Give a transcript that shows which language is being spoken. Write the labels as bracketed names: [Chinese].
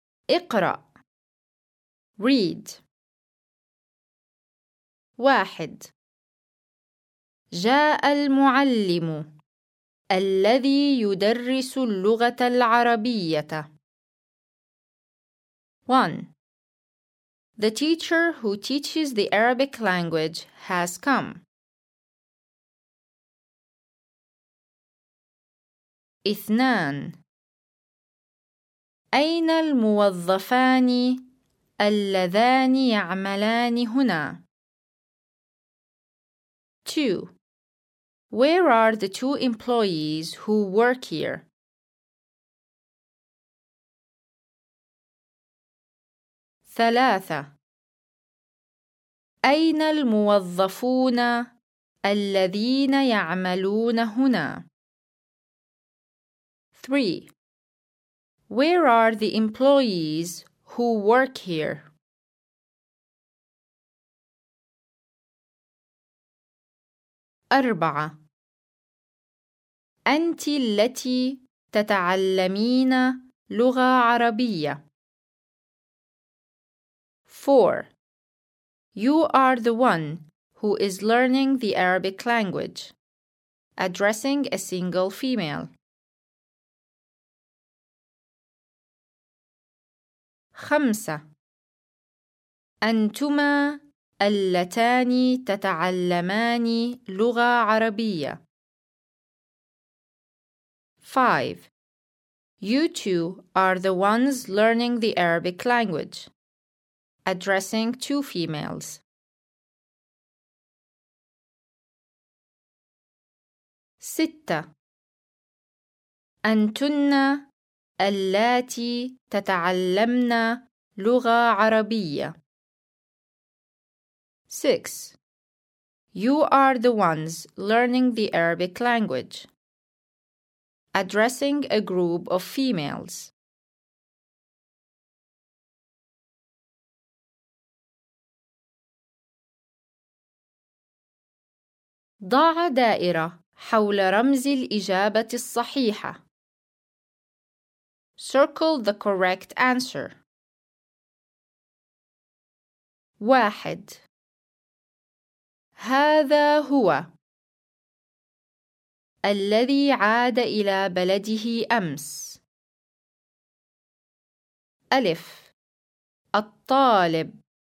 [Arabic] اقرأ. [English] Read. 1. [Arabic] جاء المعلم الذي يدرس اللغة العربية. [English] 1. The teacher who teaches the Arabic language has come. 2. [Arabic] أين الموظفان اللذان يعملان هنا؟ 2. [English] Where are the two employees who work here? 3. [Arabic] أين الموظفون الذين يعملون هنا؟ 3. [English] Where are the employees who work here? 4. [Arabic] أنت التي تتعلمين لغة عربية. [English] 4. You are the one who is learning the Arabic language. Addressing a single female. 5. [Arabic] أنتما اللتان تتعلمان لغة عربية. [English] 5. You two are the ones learning the Arabic language. Addressing two females. 6. [Arabic] أنتن اللاتي تتعلمن لغة عربية. [English] 6. You are the ones learning the Arabic language. Addressing a group of females. [Arabic] 7. ضع دائرة حول رمز الإجابة الصحيحة. [English] Circle the correct answer. 1. [Arabic] هذا هو الذي عاد إلى بلده أمس. ألف الطالب.